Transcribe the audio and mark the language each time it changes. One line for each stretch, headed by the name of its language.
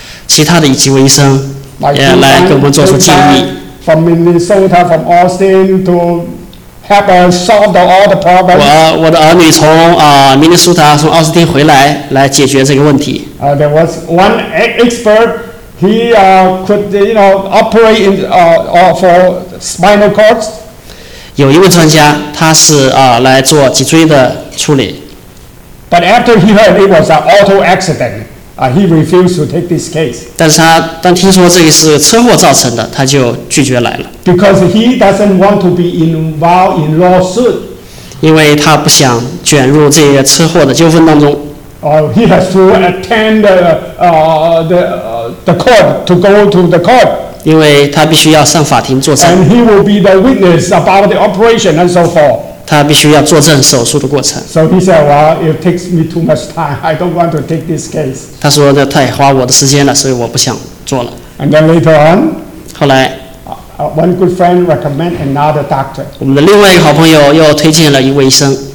Chinese: 其他的几位医生也来给我们做出建议。
English: From Minnesota, from Austin, to help us solve all the problems.
Chinese: 我的儿女从明尼苏达从奥斯汀回来，来解决这个问题。
English: There was one expert. He could, you know, operate in for spinal cords.
Chinese: 有一位专家，他是来做脊椎的处理。
English: But after he heard it was an auto accident. He refused to take this case.
Chinese: 但是他当听说这个是车祸造成的，他就拒绝来了。
English: Because he doesn't want to be involved in lawsuit.
Chinese: 因为他不想卷入这个车祸的纠纷当中。
English: He has to attend the court to go to the court.
Chinese: 因为他必须要上法庭作证。
English: And he will be the witness about the operation and so forth.
Chinese: 他必须要作证手术的过程。
English: So he said, "Well, it takes me too much time. I don't want to take this case."
Chinese: 他说这太花我的时间了，所以我不想做了。
English: And then later on,
Chinese: 后来
English: one good friend recommend another doctor.
Chinese: 我们的另外一个好朋友又推荐了一位医生。